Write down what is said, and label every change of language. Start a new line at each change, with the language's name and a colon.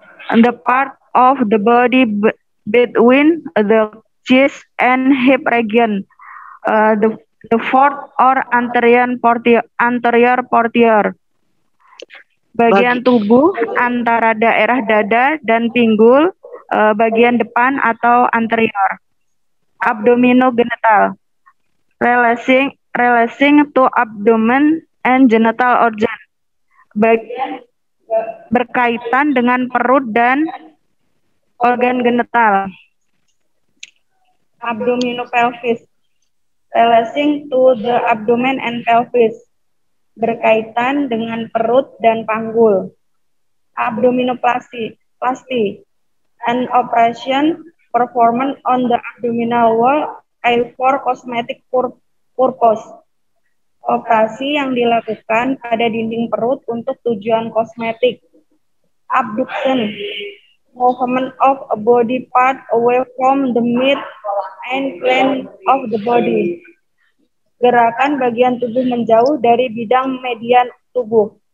English: the part of the body between the chest and hip region, the fourth or anterior portion.
Indonesian: Bagian tubuh antara daerah dada dan pinggul, bagian depan atau anterior.
English: Abdominogenital, relating to abdomen and genital organ.
Indonesian: Bagian berkaitan dengan perut dan organ genital.
English: Abdominopelvis, relating to the abdomen and pelvis.
Indonesian: Berkaitan dengan perut dan panggul.
English: Abdominoplasty, an operation performed on the abdominal wall and for cosmetic purpose.
Indonesian: Operasi yang dilakukan pada dinding perut untuk tujuan kosmetik.
English: Abduction, movement of a body part away from the mid and plane of the body.
Indonesian: Gerakan bagian tubuh menjauh dari bidang median tubuh.